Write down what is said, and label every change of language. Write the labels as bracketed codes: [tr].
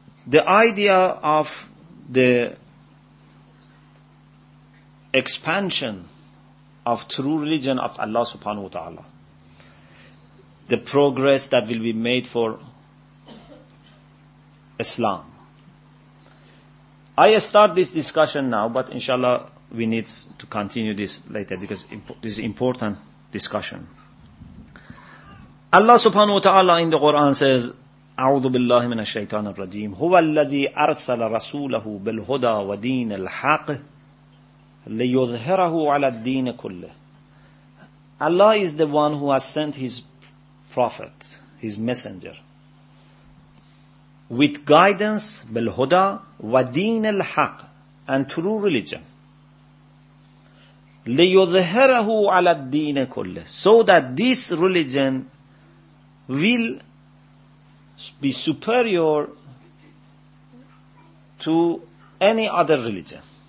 [en] the idea of the expansion of true religion of Allah subhanahu wa ta'ala, the progress that will be made for Islam. I start this discussion now, but inshallah we need to continue this later because this is important discussion. Allah subhanahu wa ta'ala in the Quran says, [ar] أعوذ بالله من الشيطان الرجيم هو الذي أرسل رسوله بالهدى ودين الحق ليظهره على الدين كله. [en] Allah is the one who has sent his prophet, his messenger, with guidance, [ar] بالهدى ودين الحق, [en] and true religion. [ar] ليظهره على الدين كله, [en] so that this religion will be superior to any other religion.